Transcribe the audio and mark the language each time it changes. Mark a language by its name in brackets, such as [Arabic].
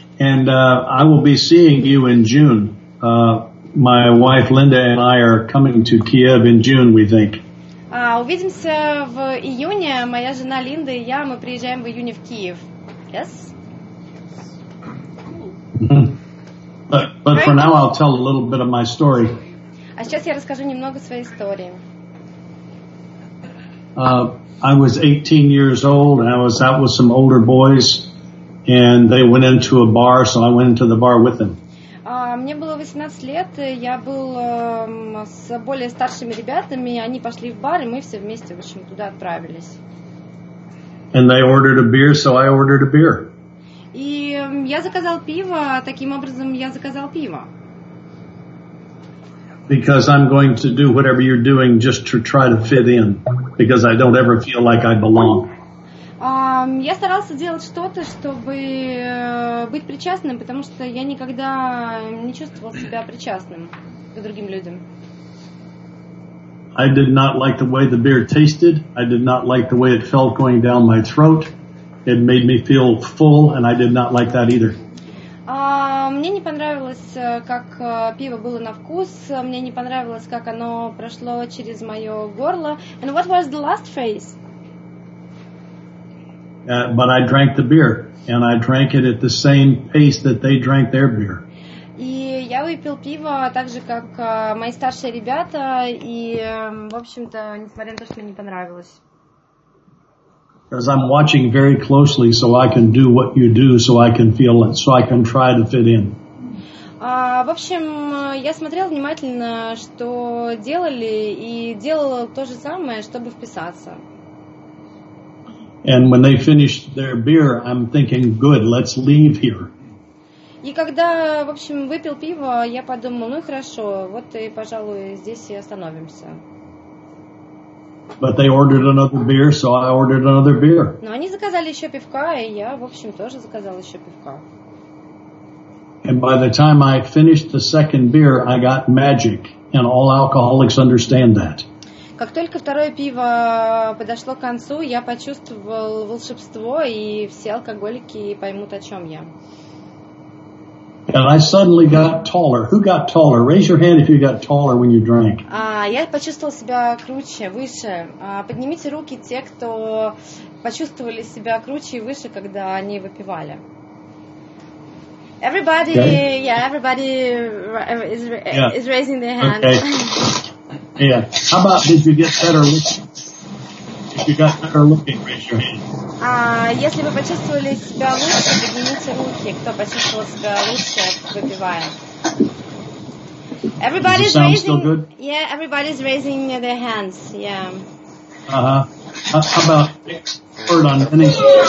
[English] And I will be seeing you in June. My wife Linda and I are coming to Kiev in June, we think. [Russian] Увидимся в июне. Моя жена Линда и я, мы приезжаем в июне в Киев. [English] Yes. But for now, I'll tell a little bit of my story. [Russian] А сейчас я расскажу немного своей истории. [English] I was 18 years old, and I was out with some older boys, and they went into a bar, so I went into the bar with them. [Russian] Мне было 18 лет, я был с более старшими ребятами, они пошли в бар, и мы все вместе, в общем, туда отправились. [English] And they ordered a beer, so I ordered a beer. [Russian] И я заказал пиво, таким образом я заказал пиво. [English] Because I'm going to do whatever you're doing just to try to fit in, because I don't ever feel like I belong. [Russian] Я старался делать что-то, чтобы быть причастным, потому что я никогда не чувствовал себя причастным к другим людям. [English] I did not like the way the beer tasted. I did not like the way it felt going down my throat. It made me feel full, and I did not like that either. [Russian] Мне не понравилось, как пиво было на вкус. Мне не понравилось, как оно прошло через мое горло. [English] And what was the last phase? But I drank the beer, and I drank it at the same pace that they drank their beer. [Russian] И я выпил пиво так же, как мои старшие ребята, и, в общем-то, несмотря на то, что мне не понравилось. [English] Because I'm watching very closely, so I can do what you do, so I can feel it, so I can try to fit in. [Russian] В общем, я смотрел внимательно, что делали, и делал то же самое, чтобы вписаться. [English] And when they finished their beer, I'm thinking, good, let's leave here. [Russian] И когда, в общем, выпил пиво, я подумал, ну хорошо, вот и, пожалуй, здесь и остановимся. [English] But they ordered another beer, so I ordered another beer. [Russian] Но они заказали еще пивка, и я, в общем, тоже заказал еще пивка. [English] And by the time I finished the second beer, I got magic, and all alcoholics understand that. [Russian] Как только второе пиво подошло к концу, я почувствовал волшебство, и все алкоголики поймут, о чем я. [English] And I suddenly got taller. Who got taller? Raise your hand if you got taller when you drank. [Russian] Я почувствовал себя круче, выше. Поднимите руки те, кто почувствовали себя круче и выше, когда они выпивали. [English] Everybody, okay. everybody is raising their hand. Okay. Yeah. How about did you get better looking? If you got better looking, raise your hand. [Russian] Если вы почувствовали себя лучше, поднимите руки, кто почувствовал себя лучше, выпивая. [English] Everybody's Does it sound raising, still good? Yeah, everybody's raising their hands, yeah. Uh-huh. How about next word on finishing?